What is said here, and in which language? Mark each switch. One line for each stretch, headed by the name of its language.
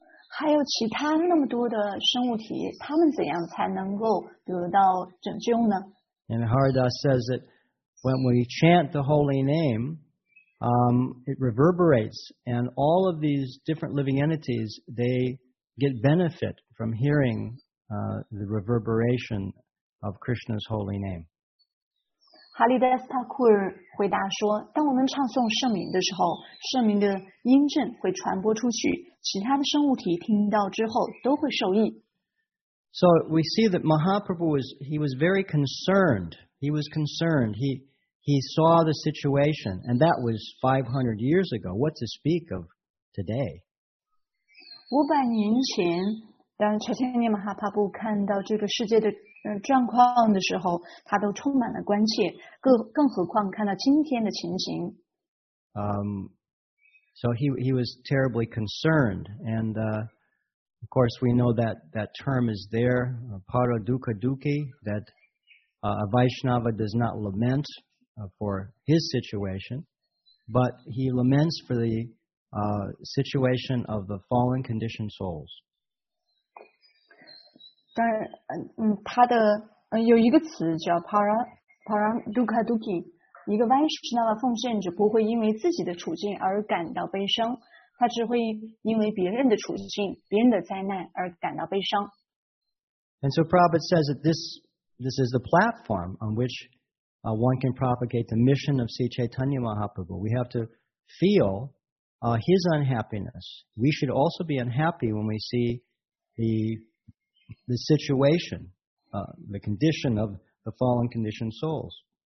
Chinese: 还有其他那么多的生物体，他们怎样才能够得到拯救呢？
English: And Haridas says that when we chant the holy name, it reverberates, and all of these different living entities, they get benefit from hearing the reverberation of Krishna's holy name.
Chinese: 哈利达斯塔库尔回答说当我们唱诵圣名的时候圣名的音阵会传播出去其他的生物体听到之后都会受益。
English: So we see that Mahaprabhu was very concerned. He was concerned. He saw the situation, and that was 500 years ago. What to speak of today?
Chinese: 500年前，当查泰涅马哈帕布看到这个世界的状况的时候，他都充满了关切，更何况看到今天的情形。
English: So he was terribly concerned, and of course we know that term is there, para dukkha dukkhi, that a Vaishnava does not lament for his situation, but he laments for the situation of the fallen conditioned souls.
Chinese: 当然，他的有一个词叫 para dukkha dukkhi。一个 Vaishnava 奉献者不会因为自己的处境而感到悲伤，他只会因为别人的处境、别人的灾难而感到悲伤。
English: And so Prabhupada says that this is the platform on which one can propagate the mission of Sri Chaitanya Mahaprabhu. We have to feel his unhappiness. We should also be unhappy when we see the situation, the condition of the fallen conditioned souls.